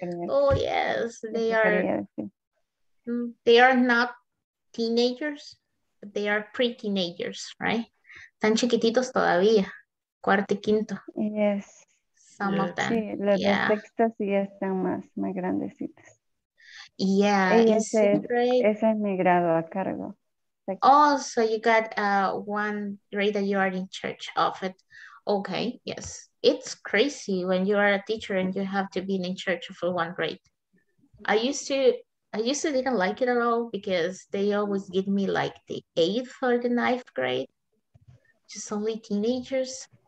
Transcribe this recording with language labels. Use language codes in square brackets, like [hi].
[en] Oh yes, they are not teenagers, but they are pre-teenagers, right? [es] Están chiquititos todavía. Cuarto y quinto. [en] Yes. Some of them. [es] Sí, los de sexto sí están más grandecitos. [en] Yeah. [es] Ese es mi grado a cargo. [en] Oh, so you got one grade that you are in charge of it. Okay, yes. It's crazy when you are a teacher and you have to be in charge of one grade. I used to didn't like it at all because they always give me like the eighth or the ninth grade, just only teenagers.